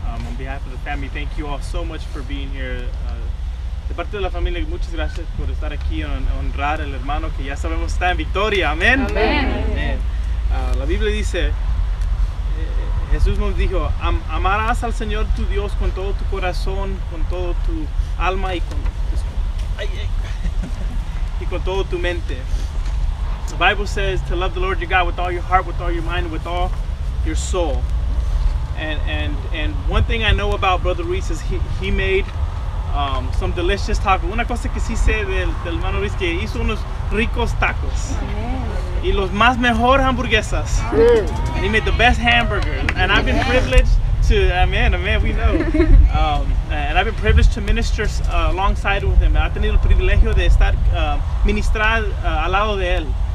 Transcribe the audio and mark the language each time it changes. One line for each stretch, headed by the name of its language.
English: On behalf of the family, thank you all so much for being here.
Spanish: De parte de la familia, muchas gracias por estar aquí a honrar al hermano que ya sabemos está en victoria. Amén. Amén. La Biblia dice, Jesús nos dijo, amarás al Señor tu Dios con todo tu corazón, con todo tu alma y con, y con todo tu mente.
English: The Bible says to love the Lord your God with all your heart, with all your mind, with all your soul. And one thing I know about Brother Ruiz is he made some delicious tacos.
Spanish: Una cosa que sí sé del hermano Ruiz, que hizo unos ricos tacos. Y los más mejor hamburguesas.
English: And he made the best hamburger. And I've been privileged to, amen, we know. And I've been privileged to minister alongside with him.
Spanish: Ha tenido el privilegio de estar ministrar al lado de él.